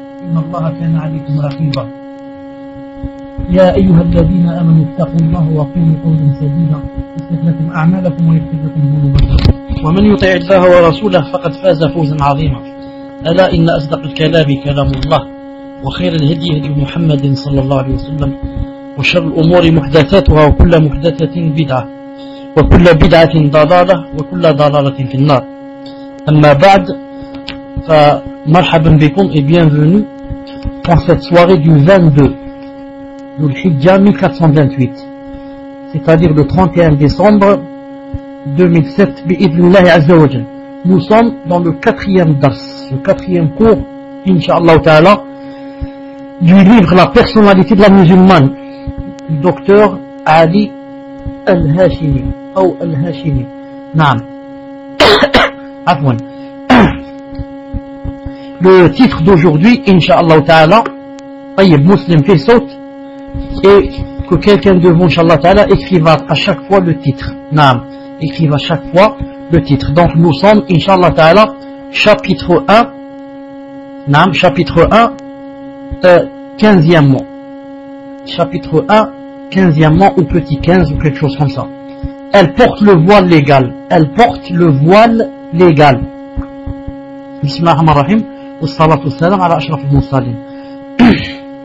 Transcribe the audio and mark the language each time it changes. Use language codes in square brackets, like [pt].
[ar] إن الله كان عليكم رقيبا يا أيها الذين آمنوا اتقوا الله وقولوا قولا سديدا يصلح لكم أعمالكم ويغفر لكم ذنوبكم ومن يطع الله ورسوله فقد فاز فوزا عظيما ألا إن أصدق الكلام كلام الله وخير الهدي هدي محمد صلى الله عليه وسلم وشر الأمور محدثاتها وكل محدثة بدعة وكل بدعة ضلالة وكل ضلالة في النار أما بعد [fr] Marhaban bikum et bienvenue pour cette soirée du 22 de l'Hijjah 1428, c'est-à-dire le 31 décembre 2007, bi'idhnillahi azza wa jal. Nous sommes dans le quatrième dars, le quatrième cours, inshallah ta'ala, du livre La personnalité de la musulmane, docteur Ali Al-Hashimi, ou Al-Hashimi, naam, Afwan. Le titre d'aujourd'hui, Inch'Allah Ta'ala, Tayyib Muslim fait saute, et que quelqu'un de vous, Inch'Allah Ta'ala, écrive à chaque fois le titre. Naam, écrive à chaque fois le titre. Donc nous sommes, Inch'Allah Ta'ala, chapitre 1, Naam, chapitre 1, 15e mot. Chapitre 1, 15e mot, ou petit 15, ou quelque chose comme ça. Elle porte le voile légal. Elle porte le voile légal. [ar] Bismillah ar-Rahman ar-Rahim. والصلاة والسلام على أشرف المرسلين.